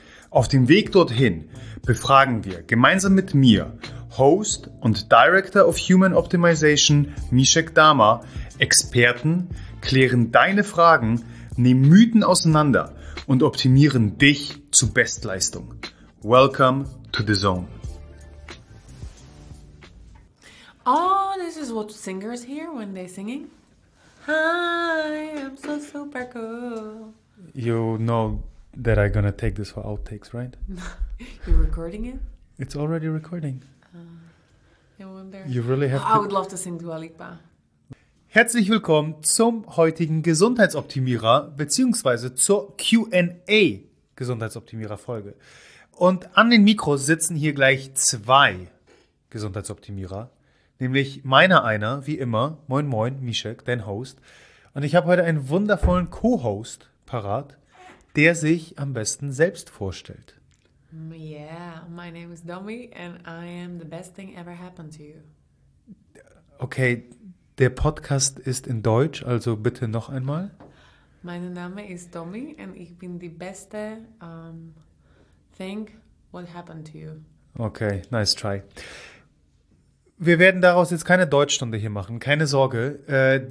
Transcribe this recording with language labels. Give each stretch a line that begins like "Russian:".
German: Auf dem Weg dorthin befragen wir gemeinsam mit mir, Host und Director of Human Optimization, Mishek Dama, Experten, klären deine Fragen, nehmen Mythen auseinander und optimieren dich zur Bestleistung.
English: Welcome to the Zone. Oh, this is what singers hear when they're singing. Hi, I'm so super cool. You know that I'm gonna take this for outtakes, right? You're recording it? It's already recording. I wonder. You really Oh, have I would to. love to sing Dua Lipa.
German: Herzlich willkommen zum heutigen Gesundheitsoptimierer bzw. zur Q&A Gesundheitsoptimierer Folge. Und an den Mikros sitzen hier gleich zwei Gesundheitsoptimierer, nämlich meiner einer, wie immer, moin moin, Mishek, dein Host. Und ich habe heute einen wundervollen Co-Host parat, der sich am besten selbst vorstellt.
English: Yeah, my name is Domi and I am the best thing ever happened to you.
German: Okay, der Podcast ist in Deutsch, also bitte noch einmal. Mein Name ist Domi und ich bin die beste
English: thing what happened to you. Okay, nice try.
German: Wir werden daraus jetzt keine Deutschstunde hier machen, keine Sorge.